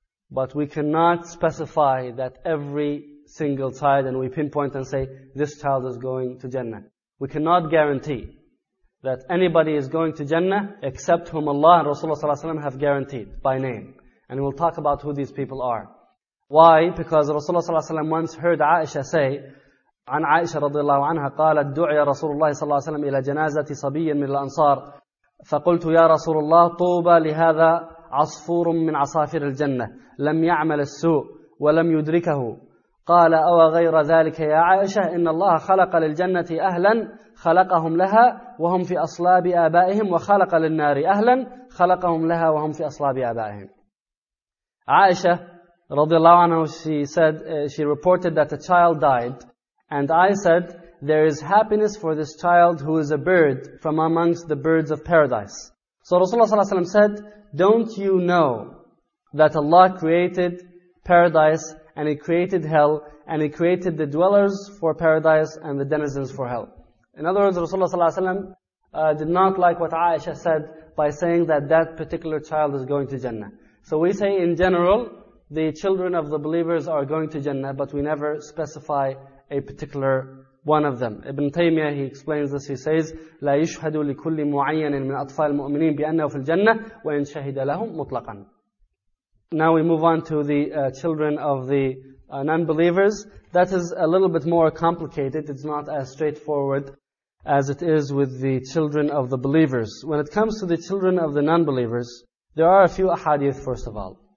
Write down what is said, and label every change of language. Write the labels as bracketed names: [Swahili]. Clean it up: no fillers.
[English] But we cannot specify that every single child, and we pinpoint and say, this child is going to Jannah. We cannot guarantee that anybody is going to Jannah except whom Allah and Rasulullah ﷺ have guaranteed by name. And we'll talk about who these people are. Why? Because Rasulullah ﷺ once heard Aisha say, [Arabic] عن عائشة رضي الله عنها قالت دعي رسول الله صلى الله عليه وسلم إلى جنازة صبي من الأنصار فقلت يا رسول الله طوبى لهذا عصفور من عصافير الجنة لم يعمل السوء ولم يدركه قال أو غير ذلك يا عائشة إن الله خلق للجنة أهلا خلقهم لها وهم في أصلاب آبائهم وخلق للنار أهلا خلقهم لها وهم في أصلاب آبائهم. [English] عائشة [Arabic] رضي الله عنها, [English] she reported that a child died, and I said, there is happiness for this child who is a bird from amongst the birds of paradise. So Rasulullah [Arabic] صلى الله عليه وسلم [English] said, don't you know that Allah created paradise and He created hell, and He created the dwellers for paradise and the denizens for hell. In other words, Rasulullah sallallahu alaihi wasallam did not like what Aisha said by saying that that particular child is going to Jannah. So we say in general, the children of the believers are going to Jannah, but we never specify a particular one of them. Ibn Taymiyyah, he explains this, he says, [Arabic] لا يشهد لكل معين من أطفال المؤمنين بأنه في الجنة وإن شهد لهم مطلقا. [English] Now we move on to the children of the non-believers. That is a little bit more complicated. It's not as straightforward as it is with the children of the believers. When it comes to the children of the non-believers, there are a few ahadith, first of all.